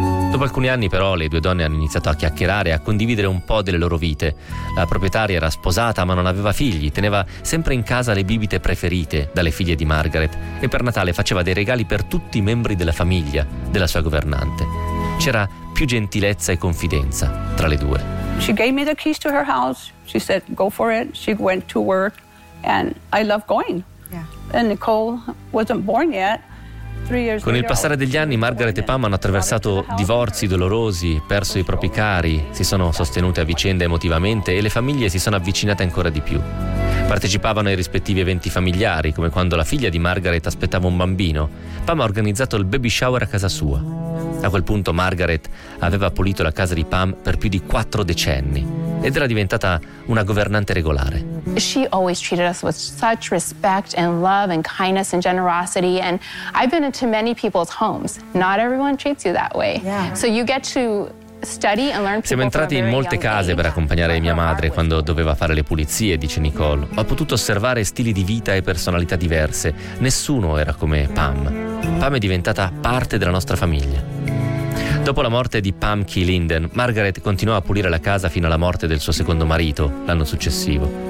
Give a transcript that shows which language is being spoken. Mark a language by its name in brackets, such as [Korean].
[Italian] Dopo alcuni anni però le due donne hanno iniziato a chiacchierare e a condividere un po' delle loro vite. La proprietaria era sposata ma non aveva figli, teneva sempre in casa le bibite preferite dalle figlie di Margaret e per Natale faceva dei regali per tutti i membri della famiglia della sua governante. C'era più gentilezza e confidenza tra le due. [English] She gave me the keys to her house. She said, "Go for it." She went to work and I love going. Yeah. And Nicole wasn't born yet. [Italian] Con il passare degli anni Margaret e Pam hanno attraversato divorzi dolorosi, perso i propri cari, si sono sostenute a vicenda emotivamente e le famiglie si sono avvicinate ancora di più. Partecipavano ai rispettivi eventi familiari, come quando la figlia di Margaret aspettava un bambino. Pam ha organizzato il baby shower a casa sua. A quel punto Margaret aveva pulito la casa di Pam per più di 4 decenni ed era diventata una governante regolare. [English] She always treated us with such respect and love and kindness and generosity, and I've been into many people's homes. Not everyone treats you that way. So you get to study and learn. [Italian] Siamo entrati in molte case per accompagnare mia madre quando doveva fare le pulizie, dice Nicole. Ho potuto osservare stili di vita e personalità diverse. Nessuno era come Pam. Pam è diventata parte della nostra famiglia. Dopo la morte di Pam Key Linden, Margaret continuò a pulire la casa fino alla morte del suo secondo marito l'anno successivo.